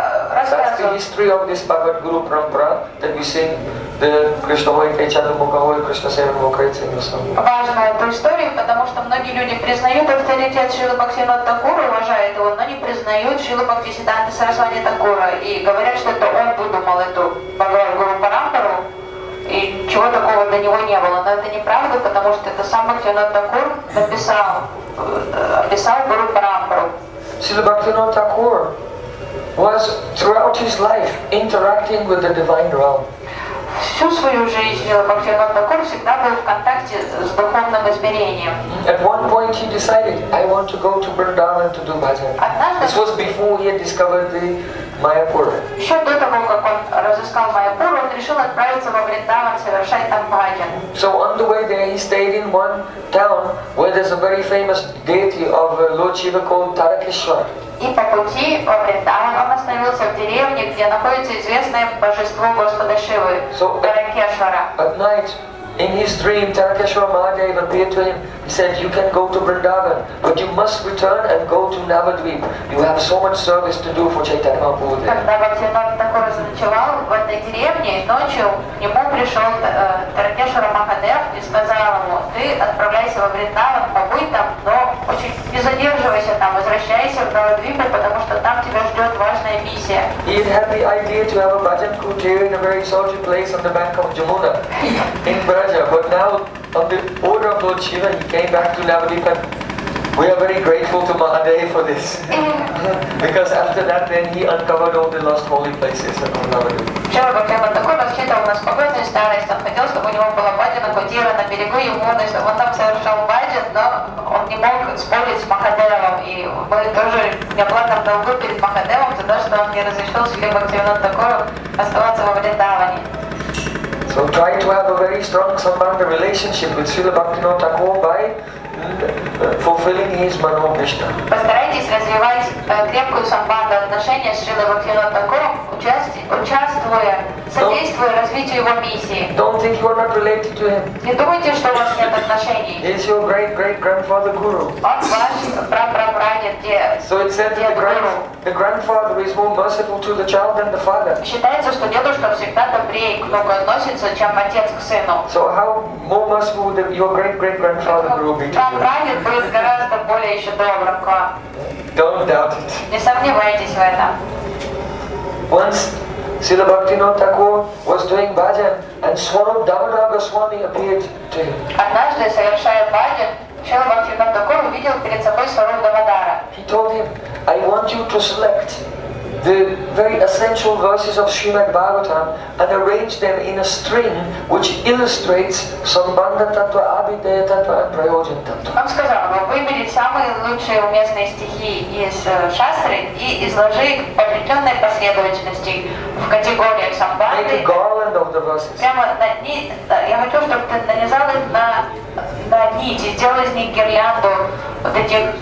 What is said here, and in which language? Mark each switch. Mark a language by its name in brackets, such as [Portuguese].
[English] That's the history of this Bhagavad Guru parampara that we sing. [Russian] Важна эта история, потому что многие люди признают авторитет Шрилы Бхактивинода Такура, уважают его, но не признают Шрилу Бхактисиддханты Сарасвати Такура и говорят, что это он выдумал эту Бхагавад Гуру Парампару и чего такого до него не было. Но это неправда, потому что это сам Бхактивинода Такур написал Гуру Парампару. [English] Шрила Бхактивинода Такур was throughout his life interacting with the divine realm. [Russian] Всю свою жизнь Бхактивинода Такур всегда был в контакте с духовным измерением. [English] At one point he decided, I want to go to Vrindavan to do bhajan. This was before he had discovered the Mayapur. [Russian] Еще до того, как он разыскал Майяпур, он решил отправиться во Вриндаван совершать там бхаджан. [English] So on the way there he stayed in one town where there's a very famous deity of Lord Shiva called Tarakeshwar. [Russian] И по пути во Вриндаван он остановился в деревне, где находится известное божество Господа Шивы, Таракешвара. [English] At night, in his dream, Tarakeshwar Mahadev appeared to him. He said, you can go to Vrindavan, but you must return and go to Navadvip. You have so much service to do for Chaitanya Mahaprabhu there. [Russian] Когда Бхактивинода Такур заночевал в этой деревне, ночью к нему пришел Таракешвар Махадев и сказал ему, ты отправляйся во Вриндаван, побудь там, но очень не задерживайся там, возвращайся в Навадвип, потому что там тебя ждет важная миссия. [English] He had the idea to have a bhajan kutir in a very salty place on the bank of Jamuna. But now, on the order of Lord Shiva, he came back to Navadvip. We are very grateful to Mahadev for this. Because after that, then he uncovered all the lost holy places of Navadvip. [Russian] Шрила Бхактивинода Такур рассчитывал на спокойную старость. Он хотел, чтобы у него была бхаджана кутира на берегу Ямуны. Он там совершал бхаджан, но он не мог спорить с Махадевом. И мы тоже не оплатим долгу перед Махадевом за то, что он не разрешил Шриле Бхактивинода Такуру оставаться во Вриндаване. [English] So try to have a very strong sambandha relationship with Srila Bhaktivinoda Thakur by fulfilling his mano vishta. [Russian] Постарайтесь развивать крепкую самбанду отношения с Шрилой Бхактивинода Такур, участвуя, содействуя развитию его миссии. [English] Don't think you are not related to him. [Russian] Не думайте, что у вас нет отношений. [English] He's your great-great-grandfather guru. [Russian] Он ваш прапрапрадед, дед. [English] So it's said that the grandfather is more merciful to the child than the father. [Russian] Считается, что дедушка всегда добрее к внуку относится, чем отец к сыну. [English] So how more merciful would your great-great-grandfather guru be to you? [Russian] Прапрадед будет гораздо более еще добрым к вам. [English] Don't doubt it. [Russian] Не сомневайтесь в этом. [English] Once Srila Bhaktivinoda Thakur was doing bhajan and Swarup Damodara Swami appeared to him. [Russian] Однажды, совершая бхаджан, Шрила Бхактивинода Такур увидел перед собой Сваруп Дамодара. [English] He told him, I want you to select the very essential verses of Srimad Bhagavatam and arrange them in a string which illustrates Sambandha Tattva, Abhideya Tattva and Prayojan Tattva. [Russian] Он сказал, выберите самые лучшие уместные стихи из шастры и изложи их в определенной последовательности в категориях Самбанды. [English] Make a garland of the verses. [Russian] Прямо на нить, я хочу, чтобы ты нанизал их на нити, сделай из них гирлянду вот этих